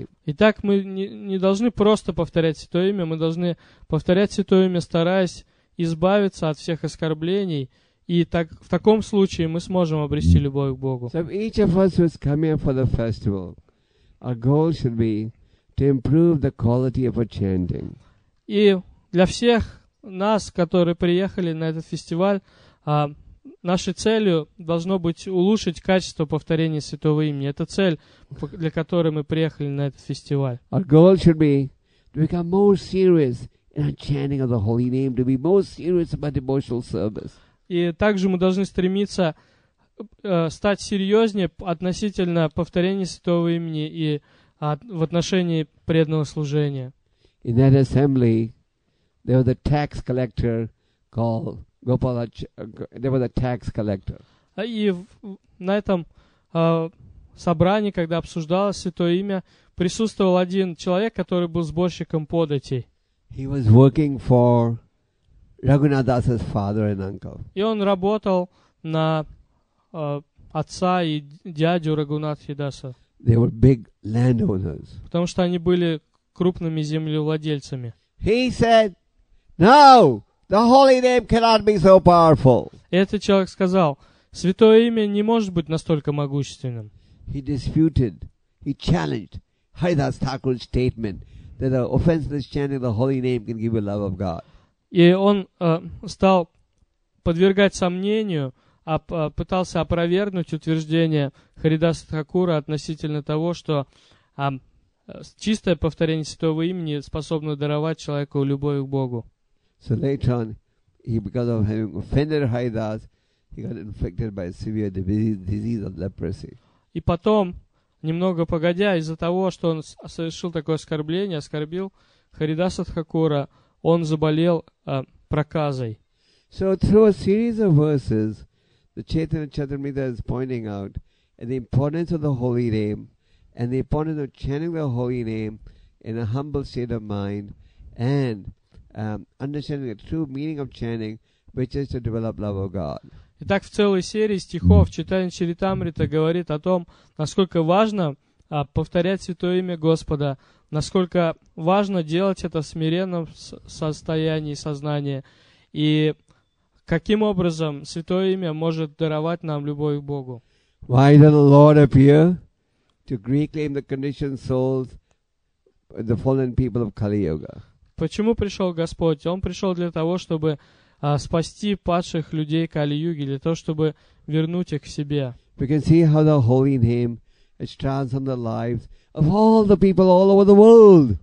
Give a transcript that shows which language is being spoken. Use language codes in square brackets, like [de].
[ru] Итак, мы не должны просто повторять Святое Имя, мы должны повторять Святое Имя, стараясь избавиться от всех оскорблений, и так, в таком случае мы сможем обрести любовь к Богу. [en] So each of us who is coming for the festival, our goal should be to improve the quality of our chanting. [ru] И для всех нас, которые приехали на этот фестиваль, нашей целью должно быть улучшить качество повторения Святого Имени. Это цель, для которой мы приехали на этот фестиваль. [en] Our goal should be to become more serious in our chanting of the Holy Name, to be more serious about devotional service. [ru] И также мы должны стремиться стать серьезнее относительно повторения Святого Имени и в отношении преданного служения. [en] In that assembly, there was a tax collector called Gopalacharya. [ru] И на этом собрании, когда обсуждалось Святое Имя, присутствовал один человек, который был сборщиком податей. [en] He was working for Raghunadas's father and uncle. [ru] И он работал на отца и дядю Рагунатхи Даса. [en] They were big landowners. [ru] Потому что они были крупными землевладельцами. [en] He said, "No, the holy name cannot be so powerful." [ru] И этот человек сказал: "Святое имя не может быть настолько могущественным." [en] He disputed, he challenged Haridas Thakur's statement that an offenseless chanting of the holy name can give you love of God. [ru] И он стал подвергать сомнению, пытался опровергнуть утверждение Харидаса Тхакура относительно того, что чистое повторение Святого Имени способно даровать человеку любовь к Богу. [en] So later on, he, because of having offended Haridas, he got infected by a severe disease of leprosy. [ru] И потом, немного погодя, из-за того, что он совершил такое оскорбление, оскорбил Харидаса Тхакура, он заболел проказой. [en] So through a series of verses, the Chaitanya Charitamrita is pointing out the importance of the holy name and the importance of chanting the holy name in a humble state of mind and understanding the true meaning of chanting, which is to develop love of God. [ru] Итак, в целой серии стихов Чайтанья Чаритамрита говорит о том, насколько важно повторять Святое Имя Господа, насколько важно делать это в смиренном состоянии сознания, и каким образом Святое Имя может даровать нам любовь к Богу. [en] Why did the Lord appear? To reclaim the conditioned souls, the fallen people of Kali-Yuga. [ru] Почему пришел Господь? Он пришел для того, чтобы спасти падших людей Кали-Юги, для того, чтобы вернуть их к себе. [en] We can see how the holy name has transformed the lives of all the people all over the world.